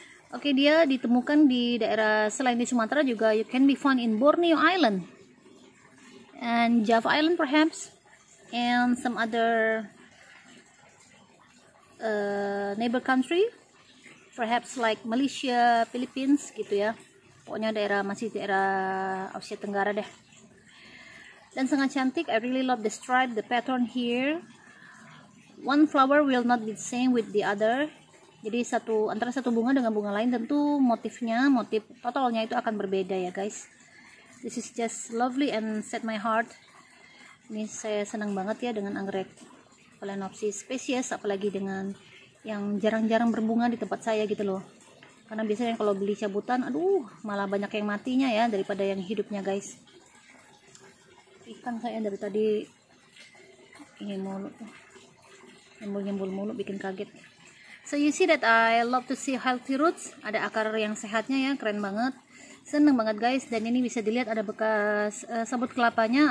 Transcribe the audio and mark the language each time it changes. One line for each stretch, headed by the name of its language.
Indonesian: Oke, dia ditemukan di daerah selain di Sumatera juga
English: you can be found in Borneo Island and Java Island perhaps and some other neighbor country. Perhaps like Malaysia, Philippines gitu ya.
Indonesian: Pokoknya daerah masih daerah Asia Tenggara deh. Dan sangat cantik.
English: I really love the stripe, the pattern here. One flower will not be the same with the other.
Indonesian: Jadi satu antara satu bunga dengan bunga lain tentu motifnya, motif totalnya itu akan berbeda ya guys.
English: This is just lovely and set my heart.
Indonesian: Ini saya senang banget ya dengan anggrek Phalaenopsis species, apalagi dengan yang jarang-jarang berbunga di tempat saya gitu loh. Karena biasanya kalau beli cabutan, aduh, malah banyak yang matinya ya daripada yang hidupnya guys. Ikan saya dari tadi ingin mulut nyembul-nyembul mulut, bikin kaget.
English: So you see that I love to see healthy roots.
Indonesian: Ada akar yang sehatnya ya, keren banget. Seneng banget guys. Dan ini bisa dilihat ada bekas sabut kelapanya.